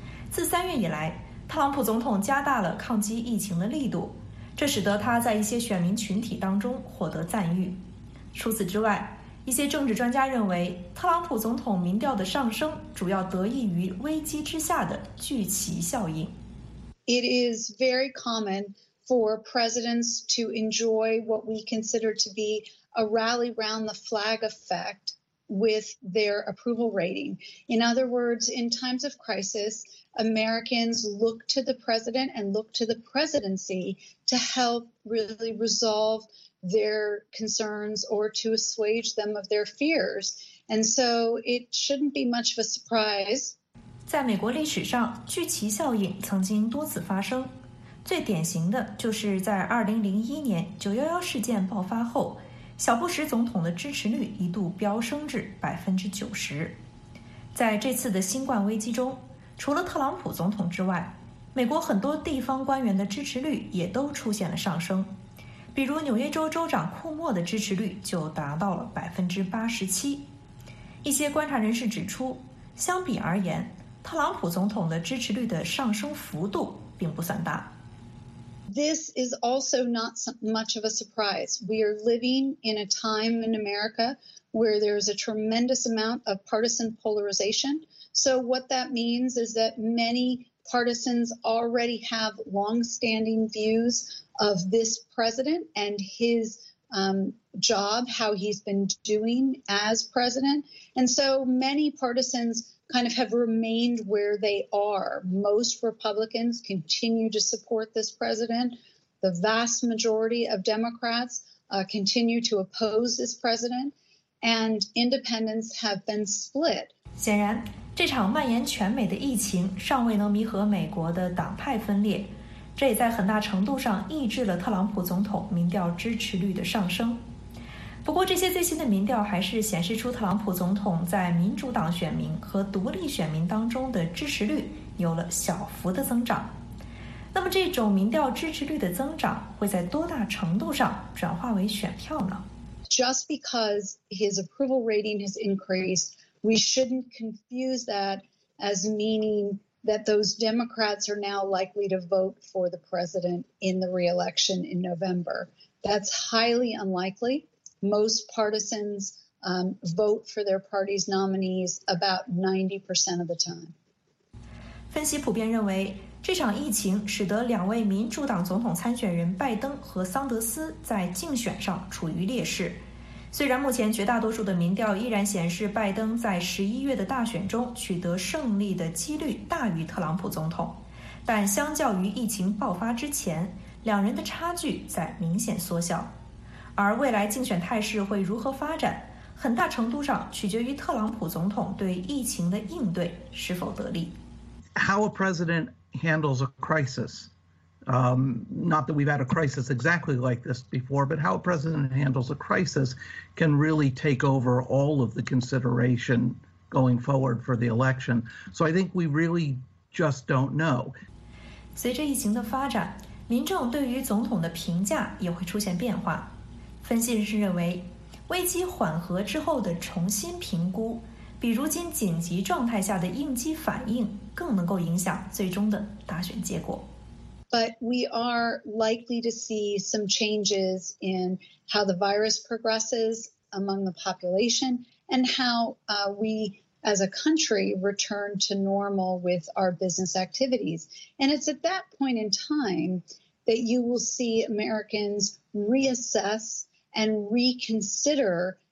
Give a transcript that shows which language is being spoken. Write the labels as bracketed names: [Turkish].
[Chinese] 自三月以来，特朗普总统加大了抗击疫情的力度，这使得他在一些选民群体当中获得赞誉。除此之外，一些政治专家认为，特朗普总统民调的上升主要得益于危机之下的聚集效应。 [English] It is very common for presidents to enjoy what we consider to be a rally round the flag effect with their approval rating. In other words, in times of crisis,Americans look to the president and look to the presidency to help really resolve their concerns or to assuage them of their fears. And so it shouldn't be much of a surprise. [Chinese] 在美国历史上，聚集效应曾经多次发生，最典型的就是在2001年9/11事件爆发后，小布什总统的支持率一度飙升至90%。在这次的新冠危机中，除了特朗普总统之外，美国很多地方官员的支持率也都出现了上升，比如纽约州州长库莫的支持率就达到了87%。一些观察人士指出，相比而言，特朗普总统的支持率的上升幅度并不算大。 [English] This is also not much of a surprise. We are living in a time in America where there is a tremendous amount of partisan polarization. So what that means is that many partisans already have long-standing views of this president and his job, how he's been doing as president. And so many partisans kind of have remained where they are. Most Republicans continue to support this president. The vast majority of Democrats continue to oppose this president. And independents have been split. [Chinese] 显然这场蔓延全美的疫情尚未能弥合美国的党派分裂，这也在很大程度上抑制了特朗普总统民调支持率的上升。不过，这些最新的民调还是显示出特朗普总统在民主党选民和独立选民当中的支持率有了小幅的增长。那么，这种民调支持率的增长会在多大程度上转化为选票呢？ [English] Just because his approval rating has increased,We shouldn't confuse that as meaning that those Democrats are now likely to vote for the president in the re-election in November. That's highly unlikely. Most partisans vote for their party's nominees about 90% of the time. [Chinese] 分析普遍认为，这场疫情使得两位民主党总统参选人拜登和桑德斯在竞选上处于劣势。虽然目前绝大多数的民调依然显示拜登在11月的大选中取得胜利的几率大于特朗普总统，但相较于疫情爆发之前，两人的差距在明显缩小。而未来竞选态势会如何发展，很大程度上取决于特朗普总统对疫情的应对是否得力。 [English] How a president handles a crisis. Not that we've had a crisis exactly like this before, but how a president handles a crisis can really take over all of the consideration going forward for the election. So I think we really just don't know. [Chinese] 随着疫情的发展，民众对于总统的评价也会出现变化。分析人士认为，危机缓和之后的重新评估，比如今紧急状态下的应激反应，更能够影响最终的大选结果。 [English] But we are likely to see some changes in how the virus progresses among the population and how we as a country return to normal with our business activities. And it's at that point in time that you will see Americans reassess and reconsider